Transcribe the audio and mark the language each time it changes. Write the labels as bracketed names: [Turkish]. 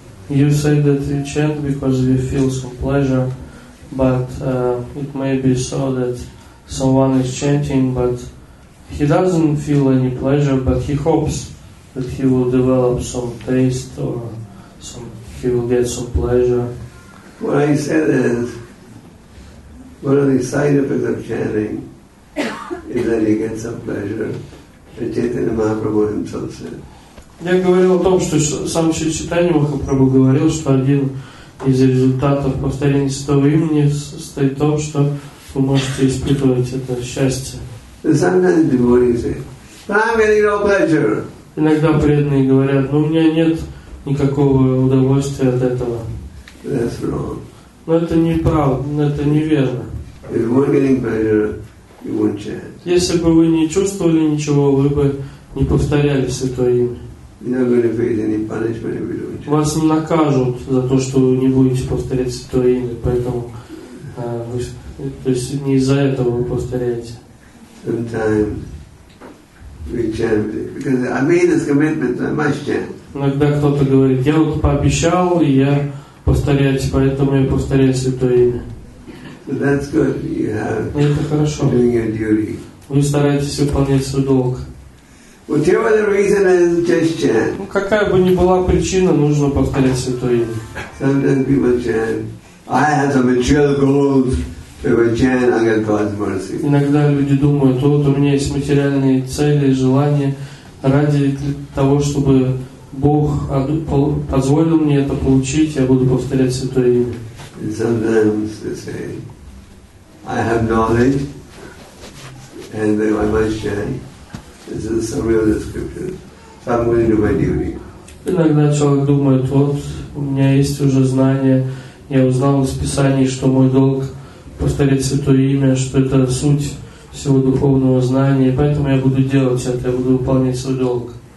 [English] You say that you chant because you feel some pleasure, but it may be so that someone is chanting, but he doesn't feel any pleasure, but he hopes that he will develop some taste or some, he will get some pleasure. What I said is, one of the side effects of chanting is that he gets some pleasure, as Chaitanya Mahaprabhu himself said. [Russian] Я говорил о том, что сам Чайтанья Махапрабху говорил, что один из результатов повторения святого имени состоит в том, что вы можете испытывать это счастье. Иногда преданные говорят, ну у меня нет никакого удовольствия от этого. [English] That's wrong. [Russian] Но это неправда, это неверно. [English] If you weren't getting pleasure, you wouldn't chant. [Russian] Если бы вы не чувствовали ничего, вы бы не повторяли святое имя. [English] You're not going to face any punishment if you don't chant. [Russian] Вас не накажут за то, что вы не будете повторять святое имя, поэтому вы, то есть не из-за этого вы повторяете. [English] Sometimes we chant because I made this commitment, I must chant. [Russian] Иногда кто-то говорит, я вот пообещал, и я повторяюсь, поэтому я повторяю святое имя. [English] So that's good. You have [Russian] это хорошо. [English] Doing your duty. [Russian] Вы стараетесь выполнять свой долг. [English] Whatever the reason is, just chant. [Russian] Ну, какая бы ни была причина, нужно повторять святое имя. [English] Sometimes people chant. I have some material goals. If I chant, I get God's mercy. [Russian] Иногда люди думают, вот у меня есть материальные цели, желания, ради того, чтобы Бог позволил мне это получить, я буду повторять святое имя. [English] And sometimes they say, I have knowledge, and I must chant. This is a real description. So I'm going to do my duty. [Russian] Иногда человек думает, вот у меня есть уже знания, я узнал из Писания, что мой долг повторять святое имя, что это суть всего духовного знания, и поэтому я буду делать это, я буду выполнять свой долг.